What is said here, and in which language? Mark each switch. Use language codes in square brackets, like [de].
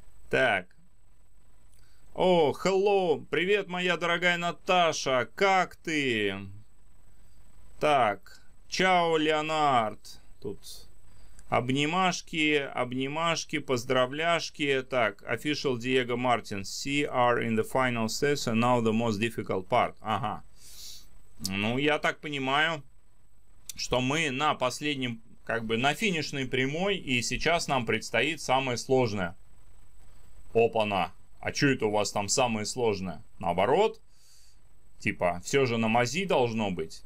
[ru] Так. О, [en] hello. [ru] Привет, моя дорогая Наташа. Как ты? Так. Чао, Леонард. Тут... Обнимашки, поздравляшки. Так, [en] official Diego Martin. CR in the final steps and now the most difficult part. [ru] Ага. Ну, я так понимаю, что мы на последнем, как бы, на финишной прямой, и сейчас нам предстоит самое сложное. Опа-на. А что это у вас там самое сложное? Наоборот. Типа, все же на мази должно быть.